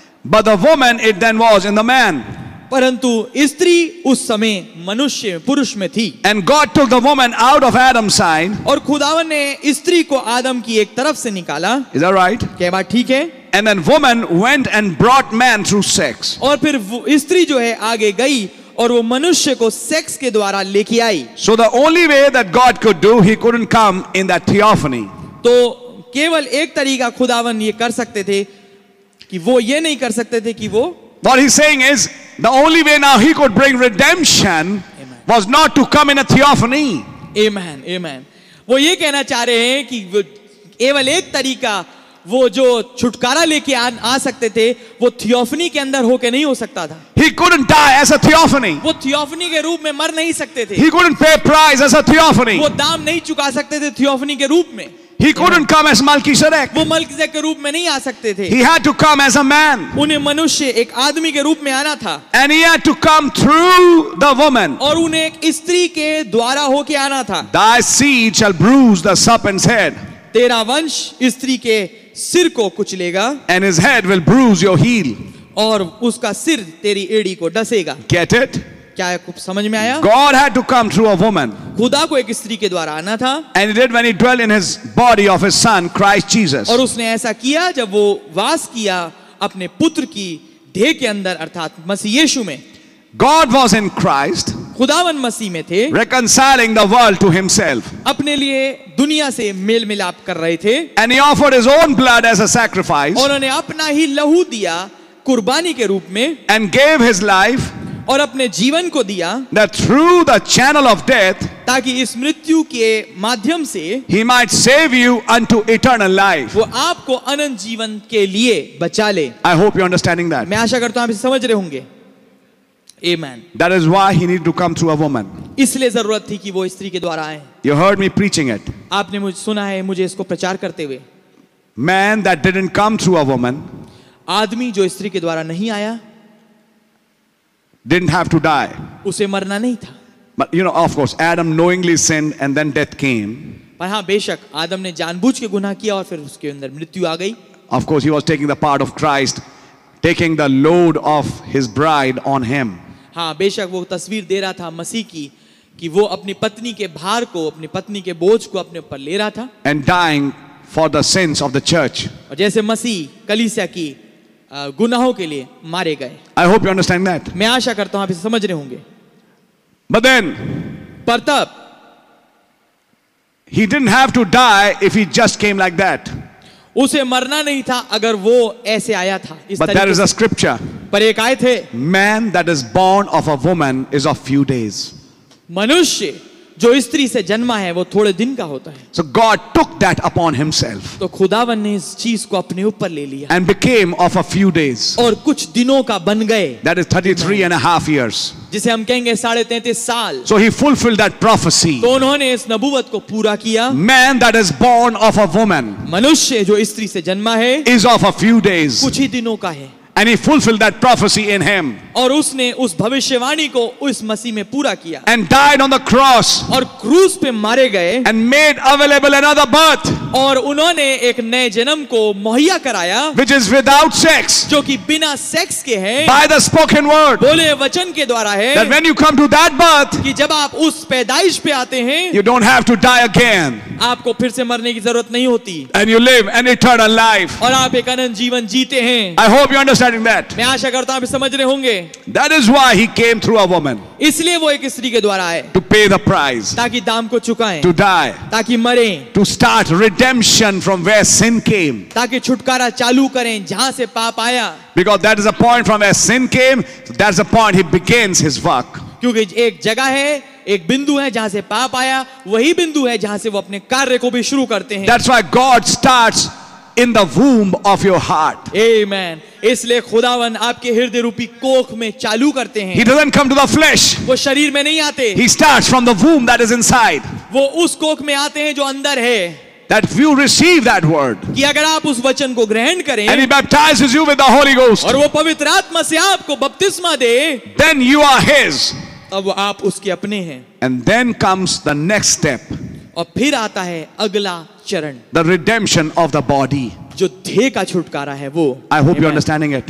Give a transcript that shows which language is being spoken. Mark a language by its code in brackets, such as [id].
[en] But the woman it then was in the man. [hi] परंतु स्त्री उस समय मनुष्य पुरुष में थी. [en] And God took the woman out of Adam's side. [hi] और खुदावन ने स्त्री को आदम की एक तरफ से निकाला. [en] Is that right? [hi] क्या बात ठीक है? [en] And then woman went and brought man through sex. [hi] और फिर स्त्री जो है आगे गई और वो मनुष्य को सेक्स के द्वारा लेके आई. [en] So the only way that God could do, he couldn't come in that theophany. [hi] तो केवल एक तरीका खुदावन ये कर सकते थे कि वो ये नहीं कर सकते थे कि वो. [en] What he's saying is the only way now he could bring redemption. Amen. Was not to come in a theophany. Amen, amen. [hi] वो ये कहना चाह रहे हैं कि केवल एक तरीका वो जो छुटकारा लेके आ सकते थे वो थियोफनी के अंदर होके नहीं हो सकता था. [en] He couldn't die as a theophany. [hi] वो थियोफनी के रूप में मर नहीं सकते थे. [en] He couldn't pay price as a theophany. [hi] वो दाम नहीं चुका सकते थे थियोफनी के रूप में. [en] He couldn't come as Melchizedek. [hi] वो मलकीसेदेक के रूप में नहीं आ सकते थे. [en] He had to come as a man. [hi] उन्हें मनुष्य एक आदमी के रूप में आना था. [en] And he had to come through the woman. [hi] और उन्हें एक स्त्री के द्वारा होके आना था. [en] Thy seed shall bruise the serpent's head. [hi] तेरा वंश स्त्री के सिर को कुचलेगा. [en] And his head will bruise your heel. [hi] और उसका सिर तेरी एड़ी को डसेगा. [en] Get it? [hi] क्या समझ में आया? [en] God had to come through a woman. [hi] खुदा को एक स्त्री के द्वारा आना था. [en] And he did when he dwelt in his body of his son Christ Jesus. [hi] और उसने ऐसा किया जब वो वास किया अपने पुत्र की देह के अंदर अर्थात मसीह यीशु में. [en] God was in Christ. [hi] खुदावन मसीह में थे. [en] Reconciling the world to himself. [hi] अपने लिए दुनिया से मेल मिलाप कर रहे थे. [en] And he offered his own blood as a sacrifice. [hi] और उन्होंने अपना ही लहू दिया कुर्बानी के रूप में. [en] And gave his life. [hi] और अपने जीवन को दिया. [en] That through the channel of death. [hi] ताकि इस मृत्यु के माध्यम से. [en] He might save you unto eternal life. [hi] वो आपको अनंत जीवन के लिए बचा ले. [en] I hope you're understanding that. [hi] मैं आशा करता हूं आप इसे समझ रहे होंगे. [en] Amen. That is why he needed to come through a woman. [hi] इसलिए जरूरत थी कि वो स्त्री के द्वारा आए. [en] You heard me preaching it. [hi] आपने मुझे सुना है मुझे इसको प्रचार करते हुए. [en] Man that didn't come through a woman. [hi] आदमी जो स्त्री के द्वारा नहीं आया. [en] Didn't have to die. [hi] उसे मरना नहीं था. [en] But you know, of course, Adam knowingly sinned and then death came. [hi] पर हाँ बेशक आदम ने जानबूझ के गुनाह किया और फिर उसके अंदर मृत्यु आ गई. [en] Of course, he was taking the part of Christ, taking the load of his bride on him. [hi] हाँ बेशक वो तस्वीर दे रहा था मसीह की कि वो अपनी पत्नी के भार को अपनी पत्नी के बोझ को अपने ऊपर ले रहा था. [en] And dying for the sins of the church. [hi] और जैसे मसीह कलीसिया की गुनाहों के लिए मारे गए. [en] I hope you understand that. [hi] मैं आशा करता हूं आप इसे समझ रहे होंगे. [en] But then, [hi] पर तब, [en] he didn't have to die if he just came like that. [hi] उसे मरना नहीं था अगर वो ऐसे आया था. [en] But there is a scripture. [hi] पर एक आए थे. [en] Man that is born of a woman is of few days. [hi] मनुष्य जो स्त्री से जन्मा है वो थोड़े दिन का होता है. [en] So God took that upon himself. [hi] तो खुदावन ने इस चीज को अपने ऊपर ले लिया. [en] And became of a few days. [hi] और कुछ दिनों का बन गए. [en] That is 33 and a half years. [hi] जिसे हम कहेंगे 33.5 साल. [en] So he fulfilled that prophecy. [hi] तो उन्होंने इस नबुवत को पूरा किया. [en] Man that is born of a woman. [hi] मनुष्य जो स्त्री से जन्मा है. [en] Is of a few days. [hi] कुछ ही दिनों का है. [en] And he fulfilled that prophecy in him. [hi] और उसने उस भविष्यवाणी को उस मसीह में पूरा किया. [en] And died on the cross. [hi] और क्रूस पे मारे गए. [en] And made available another birth. [hi] और उन्होंने एक नए जन्म को मुहैया कराया. [en] Which is without sex. [hi] जो कि बिना सेक्स के है. [en] By the spoken word. [hi] बोले वचन के द्वारा है. [en] That when you come to that birth. [hi] कि जब आप उस पैदाइश पे आते हैं. [en] You don't have to die again. [hi] आपको फिर से मरने की जरूरत नहीं होती. [en] And you live an eternal life. [hi] और आप एक अनंत जीवन जीते हैं. [en] I hope you understanding that. [hi] मैं आशा करता हूं आप समझ रहे होंगे. [en] That is why he came through a woman. [hi] इसलिए वो एक स्त्री के द्वारा आए. [en] To pay the price. [hi] ताकि दाम को चुकाएं. [en] To die. [hi] ताकि मरें. [en] To start redemption from where sin came. [hi] ताकि छुटकारा चालू करें जहां से पाप आया. [en] Because that is a point from where sin came, that's a point he begins his work. [hi] क्योंकि एक जगह है, एक बिंदु है जहां से पाप आया, वही बिंदु है जहां से वो अपने कार्य को भी शुरू करते हैं. [en] That's why God starts in the womb of your heart. Amen. [hi] इसलिए खुदावन आपके हृदय रूपी कोख में चालू करते हैं. [en] He doesn't come to the flesh. [hi] वो शरीर में नहीं आते. [en] He starts from the womb that is inside. [hi] वो उस कोख में आते हैं जो अंदर है. [en] That if you receive that word. [hi] कि अगर आप उस वचन को ग्रहण करें. [en] And he baptizes you with the Holy Ghost. [hi] और वो पवित्र आत्मा से आपको बपतिस्मा दे. [en] Then you are his. [hi] तब आप उसके अपने हैं. [en] And then comes the next step. [hi] और फिर आता है अगला चरण. [en] The redemption of the body. [hi] जो देह का छुटकारा है वो. [en] I hope you're understanding it.